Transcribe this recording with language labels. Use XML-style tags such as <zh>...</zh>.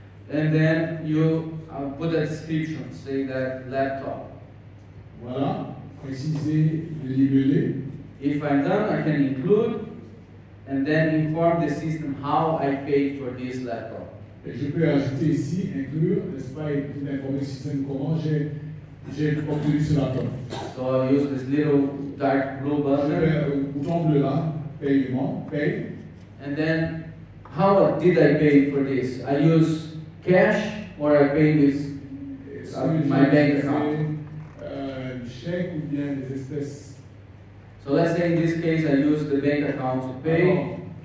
<en>And then you put a description, say that laptop.</en> <fr>Voilà, préciser le libellé.</fr> <en>If I'm done, I can include and then inform the system how I paid for this laptop.</en> <fr>Et je peux ajouter ici, inclure, n'est-ce pas, et puis informer le système comment j'ai obtenu ce laptop.</fr> <en>So I use this little dark blue button.</en> <fr>Je mets le bouton bleu là, paiement, pay.</fr> <en>And then, how did I pay for this? I use cash or I pay this my bank account. So let's say in this case I use the bank account to pay.</en>